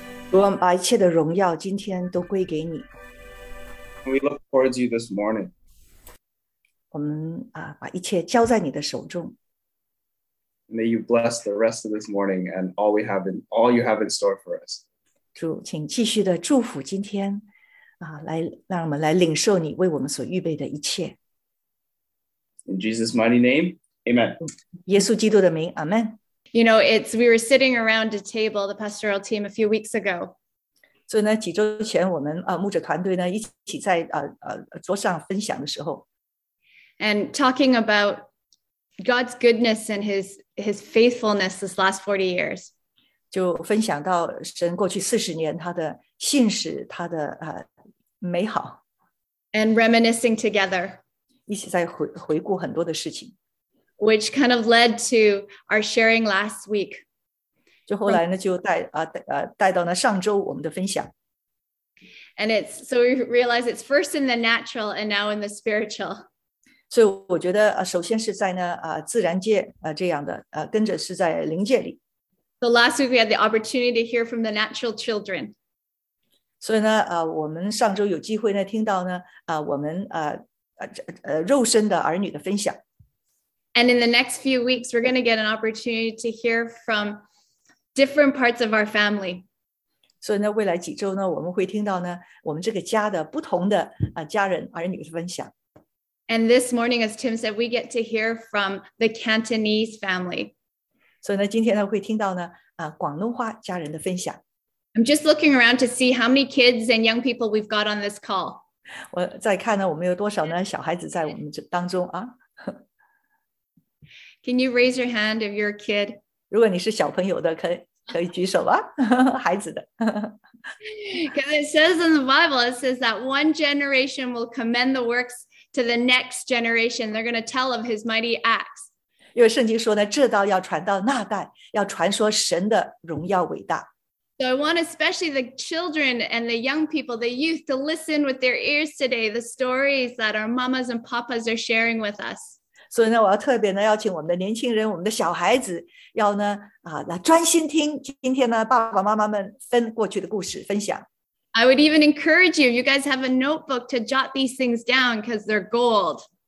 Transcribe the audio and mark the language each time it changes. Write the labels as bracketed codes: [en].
[zh] 我们把一切的荣耀今天都归给你。 [en] We look towards you this morning. [zh] 我们把一切交在你的手中。 [en] May you bless the rest of this morning and all we have in all you have in store for us. [zh] 主，请继续的祝福今天，来让我们来领受你为我们所预备的一切。 [en] In Jesus' mighty name. Amen. [zh] 耶稣基督的名, Amen. [en] You know, we were sitting around a table, the pastoral team, a few weeks ago. [zh] 所以呢，几周前我们牧者团队呢一起在桌上分享的时候 [en] ，and talking about God's goodness and His faithfulness this last 40 years， [zh] 就分享到神过去四十年他的信实，他的美好 [en] ，and reminiscing together， [zh] 一起在回顾很多的事情 [en] ，which kind of led to our sharing last week。 [zh] 就后来呢，就带到了上周我们的分享。 [en] And it's so we realize it's first in the natural and now in the spiritual. [zh] 所以我觉得首先是在呢自然界这样的跟着是在灵界里。 [en] So last week we had the opportunity to hear from the natural children. [zh] 所以呢我们上周有机会呢听到呢我们肉身的儿女的分享。 [en] And in the next few weeks we're going to get an opportunity to hear from different parts of our family. So, in the [zh] 未来几周呢，我们会听到呢，我们这个家的不同的家人儿女的分享。 [en] And this morning, as Tim said, we get to hear from the Cantonese family. [zh] So, 呢，今天呢，会听到呢，广东话家人的分享。 [en] I'm just looking around to see how many kids and young people we've got on this call. [zh] 我在看呢，我们有多少呢？小孩子在我们这当中啊。 [en] Can you raise your hand if you're a kid? [zh] 如果你是小朋友的，可以举手吧，孩子的。 [en] Because it says in the Bible, it says that one generation will commend the works to the next generation. They're going to tell of His mighty acts. [zh] 因为圣经说呢，这道要传到那代，要传说神的荣耀伟大。 [en] So I want especially the children and the young people, the youth, to listen with their ears today the stories that our mamas and papas are sharing with us. [zh] 所以呢，我要特别呢邀请我们的年轻人，我们的小孩子，要呢来专心听今天呢爸爸妈妈们分过去的故事分享。 [en] I would even encourage you, you guys have a notebook to jot these things down because they're gold.